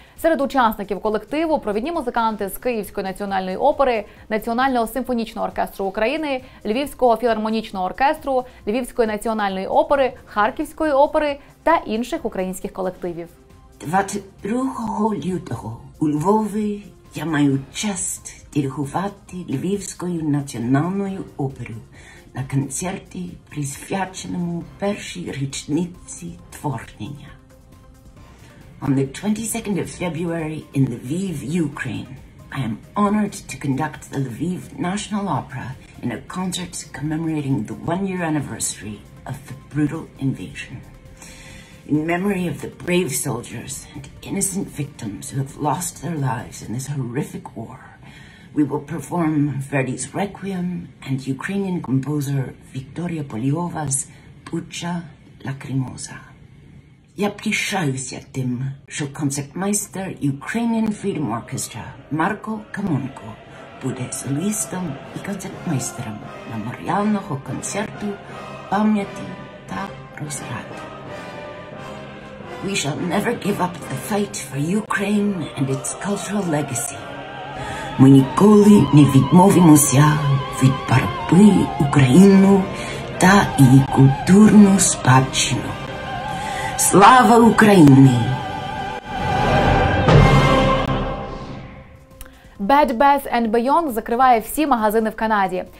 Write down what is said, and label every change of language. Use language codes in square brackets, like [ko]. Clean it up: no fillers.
[uk] Серед учасників колективу – провідні музиканти з Київської національної опери, Національного симфонічного оркестру України, Львівського філармонічного оркестру, Львівської національної опери, Харківської опери та інших українських колективів. 22 лютого у Львові я маю честь диригувати Львівською національною оперою на концерті, присвяченому першій річниці творення. [en] On the 22nd of February in Lviv, Ukraine, I am honored to conduct the Lviv National Opera in a concert commemorating the one-year anniversary of the brutal invasion. In memory of the brave soldiers and innocent victims who have lost their lives in this horrific war, we will perform Verdi's Requiem and Ukrainian composer Victoria Polyova's Bucha [uk] Лакримоза. Я пишаюся тим, що концертмайстер Ukrainian Freedom Orchestra Марко Камонко буде солістом і концертмайстером меморіального концерту пам'яті та розради. [en] We shall never give up the fight for Ukraine and its cultural legacy. [uk] Ми ніколи не відмовимося від боротьби Україну та її культурну спадщину. Слава Україні! Bed Bath & Beyond закриває всі магазини в Канаді.